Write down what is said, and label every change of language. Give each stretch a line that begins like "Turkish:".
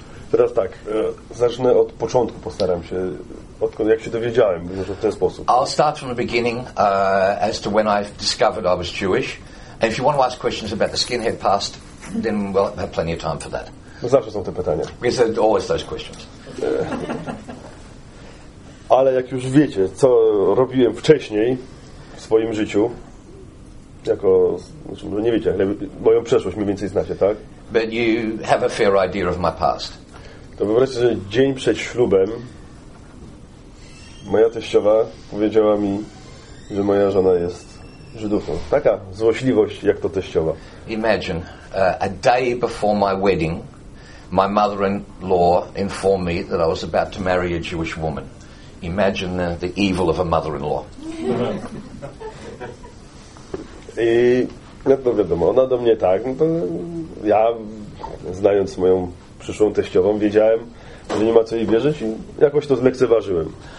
Polish: Teraz tak, zacznę od początku, postaram się, odkąd jak się dowiedziałem, może w ten sposób.
English: I'll start from the beginning as to when I discovered I was Jewish. And if you want to ask questions about the skinhead past, then we'll have plenty of time for that.
Polish: No zawsze są te pytania.
English: Because there are always those questions.
Polish: Ale jak już wiecie, co robiłem wcześniej w swoim życiu, jako, znaczy, no nie wiecie, ale moją przeszłość mniej więcej znacie, tak?
English: But you have a fair idea of my past.
Polish: To wyobraźcie, że dzień przed ślubem moja teściowa powiedziała mi, że moja żona jest Żydówką. Taka złośliwość, jak to teściowa.
English: Imagine, a day before my wedding, my mother-in-law informed me that I was about to marry a Jewish woman. Imagine the evil of a mother-in-law.
Polish: I no to wiadomo, ona do mnie tak, no to ja, znając moją przyszłą teściową, wiedziałem, że nie ma co jej wierzyć i jakoś to zlekceważyłem.